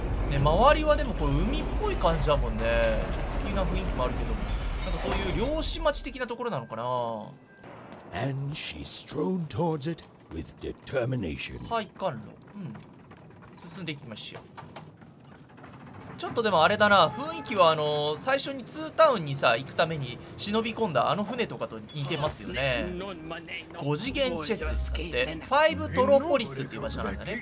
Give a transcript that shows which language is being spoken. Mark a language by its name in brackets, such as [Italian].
[Japanese] ね、周りはでもこれ海っぽい感じだもんね。ちょっと不気味な雰囲気もあるけど、なんかそういう漁師町的なところなのかな。 [English] And she strode towards it with determination. [Japanese] 配管路、進んでいきましょう。ちょっとでもあれだな、雰囲気は最初にツータウンにさ行くために忍び込んだあの船とかと似てますよね。 5次元チェスって、5トロポリスっていう場所なんだね。